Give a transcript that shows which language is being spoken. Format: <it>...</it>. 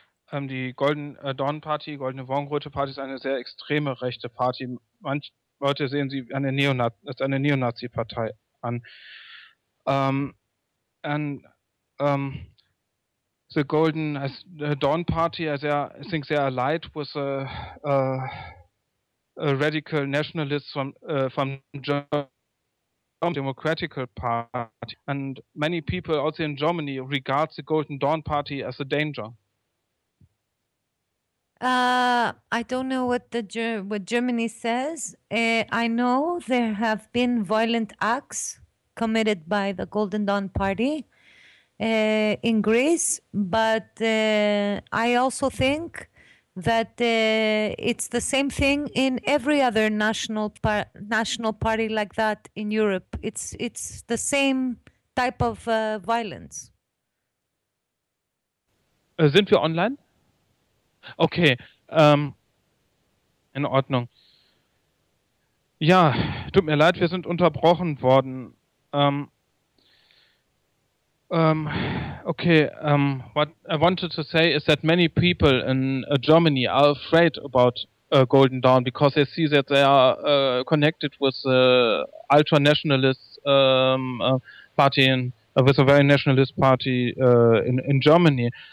<de>Die Golden Dawn Party, Goldene Morgenröte Party, ist eine sehr extreme rechte Party. Manche Leute sehen sie als eine Neonazi-Partei an.</de> <en>The Golden Dawn Party, I think they are allied with a radical nationalist from German Democratic Party. And many people also in Germany regard the Golden Dawn Party as a danger. I don't know what the what Germany says. I know there have been violent acts committed by the Golden Dawn Party in Greece, but I also think that it's the same thing in every other national party like that in Europe. It's the same type of violence.</en> <de>Sind wir online? Okay, in Ordnung. Ja, tut mir leid, wir sind unterbrochen worden.</de> <en>What I wanted to say is that many people in Germany are afraid about Golden Dawn because they see that they are connected with the ultra-nationalist party in with a very nationalist party in Germany.</en>